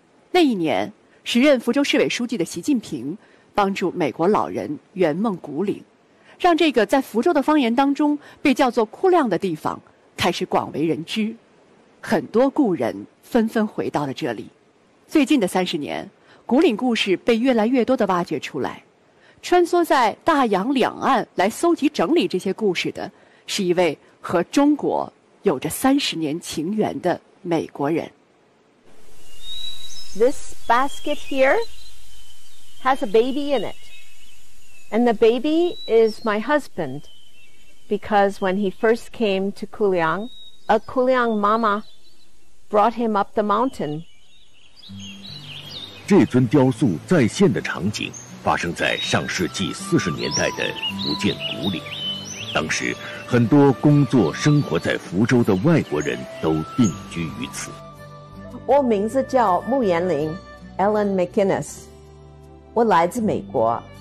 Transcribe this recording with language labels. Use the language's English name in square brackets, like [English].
[Chinese] 那一年，时任福州市委书记的习近平帮助美国老人圆梦古岭，让这个在福州的方言当中被叫做哭亮的地方开始广为人知，很多故人纷纷回到了这里。最近的30年，古岭故事被越来越多地挖掘出来，穿梭在大洋两岸来搜集整理这些故事的是一位和中国有着30年情缘的美国人。 [English] This basket here has a baby in it. And the baby is my husband, because when he first came to Kuliang, a Kuliang mama brought him up the mountain. [Chinese] 这尊雕塑再现的场景发生在上世纪四十年代的福建谷里，当时很多工作生活在福州的外国人都定居于此。我名字叫穆延林 Ellen McInnes， 我来自美国。